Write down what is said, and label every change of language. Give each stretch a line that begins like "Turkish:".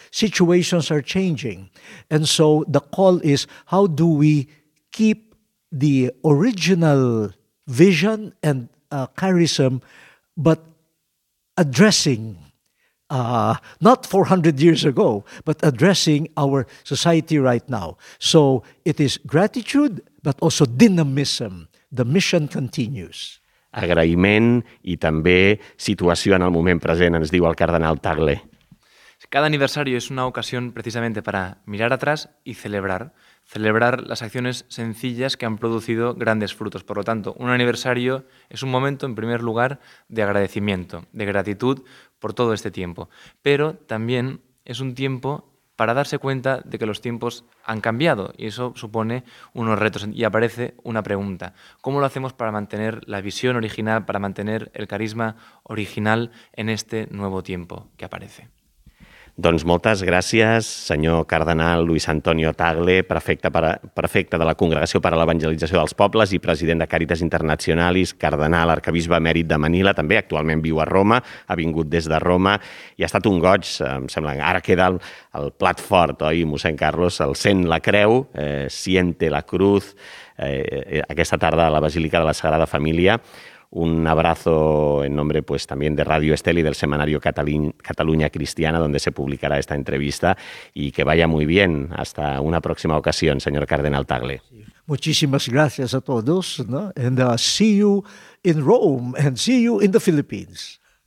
English: Situations are changing. And so the call is, how do we keep the original vision and charism, but addressing not 400 years ago, but addressing our society right now. So it is gratitude, but also dynamism. The mission continues.
Catalan: Agraïment i també situació en el moment present, ens diu el cardenal Tagle.
Spanish: Cada aniversario es una ocasión precisamente para mirar atrás y celebrar. Celebrar las acciones sencillas que han producido grandes frutos. Por lo tanto, un aniversario es un momento, en primer lugar, de agradecimiento, de gratitud por todo este tiempo. Pero también es un tiempo para darse cuenta de que los tiempos han cambiado y eso supone unos retos. Y aparece una pregunta. ¿Cómo lo hacemos para mantener la visión original, para mantener el carisma original en este nuevo tiempo que aparece?
Catalan: Doncs moltes gràcies, senyor cardenal Luis Antonio Tagle, prefecte de la Congregació per a l'Evangelització dels Pobles i president de Càritas Internacionalis, cardenal arcabisbe emèrit de Manila, també actualment viu a Roma, ha vingut des de Roma i ha estat un goig, em sembla, ara queda el plat fort, oi, mossèn Carlos, el sent la creu,
Spanish: siente la cruz,
Catalan: aquesta tarda a la Basílica de la Sagrada Família.
Spanish: Un abrazo en nombre pues también de Radio Estel y del Semanario Cataluña Cristiana, donde se publicará esta entrevista, y que vaya muy bien. Hasta una próxima ocasión, señor cardenal Tagle. Muchísimas gracias a todos, ¿no?
English: And see you in Rome and see you in the Philippines.